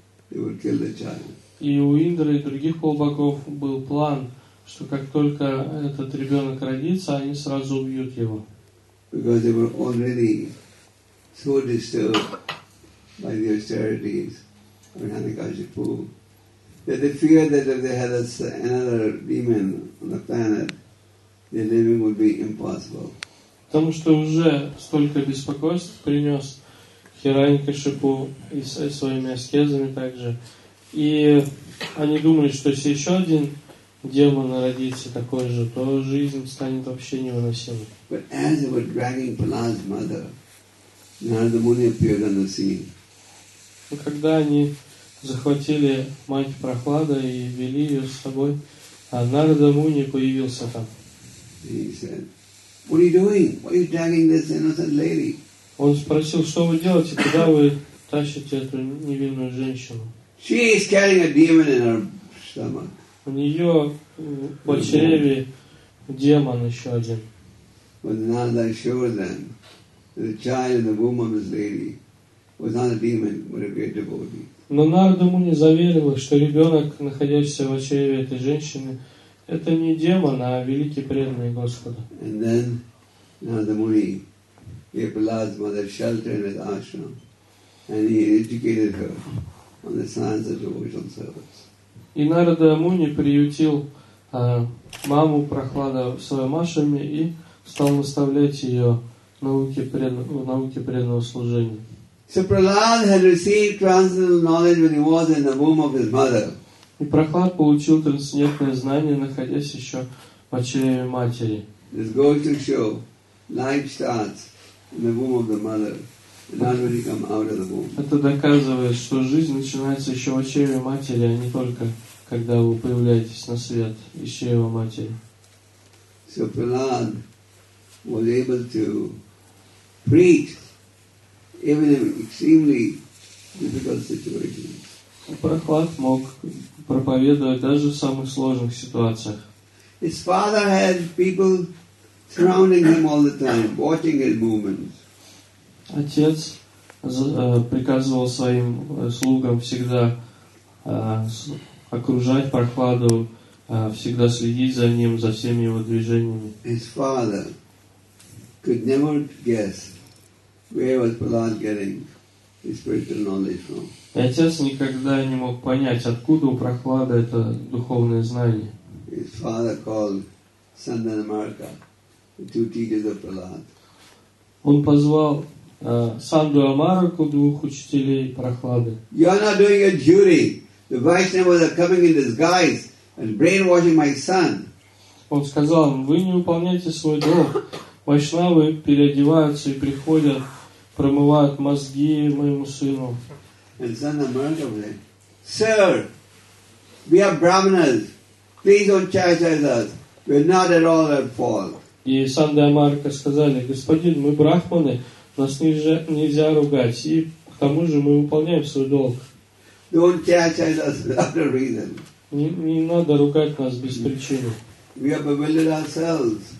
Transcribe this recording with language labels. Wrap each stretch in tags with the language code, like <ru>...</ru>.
<ru>И у Индры и других полубогов был план, что как только этот ребенок родится, они сразу убьют его.</ru> <en>Because they were already so disturbed by the austerities of Hiranyakashipu that they feared that if they had another demon on the planet, their living would be impossible.</en> <ru>Потому что уже столько беспокойств принес Хиранькашипу и своими аскезами также, и они думали, что если еще один демон родится такой же, то жизнь станет вообще невыносимой.</ru> <en>But as they were dragging Prahlad's mother, Narada Muni appeared on the scene.</en> <ru>Но когда они захватили мать Прохлада и вели ее с собой, Нарада Муни появился там.</ru> <en>He said, "What are you doing? Why are you dragging this innocent lady?"</en> <ru>Он спросил, что вы делаете, куда вы тащите эту невинную женщину?</ru> <en>She is carrying a demon in her stomach.</en> <ru>У нее в чреве демон еще один.</ru> <en>But Narada assured them that the child in the womb of his lady was not a demon, but a great devotee.</en> <ru>Но Нарада Муни заверил их, что ребенок, находящийся в чреве этой женщины, это не демон, а великий преданный Господа.</ru> <en>And then Narada Muni gave Prahlad's mother shelter in his ashram, and he educated her on the science of devotional service.</en> <ru>И Нарада Муни приютил маму Прохлада в своем ашраме и стал наставлять ее в науке преданного служения.</ru> <en>So Prahlad had received transcendental knowledge when he was in the womb of his mother.</en> <ru>И Прохлад получил трансцендентное знание, находясь еще в чреве матери.</ru> <en>is going to show life starts in the womb of the mother, not when you come out of the womb.</en> <ru>Это доказывает, что жизнь начинается еще в чреве матери, а не только когда вы появляетесь на свет из чрева матери.</ru> <en>So Prahlad was able to preach even in extremely difficult situations.</en> <ru>Прохлад мог проповедовать даже в самых сложных ситуациях.</ru> <en>His father had people surrounding him all the time, watching his movements.</en> <ru>Отец приказывал своим слугам всегда окружать Прохладу, всегда следить за ним, за всеми его движениями.</ru> <en>His father could never guess where was Prahlad getting his spiritual knowledge from.</en> <ru>И отец никогда не мог понять, откуда у Прохлады это духовное знание.</ru> <en>His father called Sandana Marka, the two teachers of Prahlad.</en> <ru>Он позвал Санду Амараку, двух учителей Прохлады.</ru> <en>You are not doing a duty. The Vaishnavas are coming in disguise and brainwashing my son.</en> <ru>Он сказал им, вы не выполняете свой долг. Вайшнавы переодеваются и приходят, промывают мозги моему сыну.</ru> <en>And Sandana Marka was like, sir, we are brahmanas. Please don't chastise us. We're not at all at fault.</en> <ru>И Сандана Марка сказали, господин, мы брахманы, нас нельзя ругать. И к тому же мы выполняем свой долг.</ru> <en>Don't chastise us without a reason.</en> <ru>Не надо ругать нас без причины.</ru> <en>We have bewildered ourselves.</en>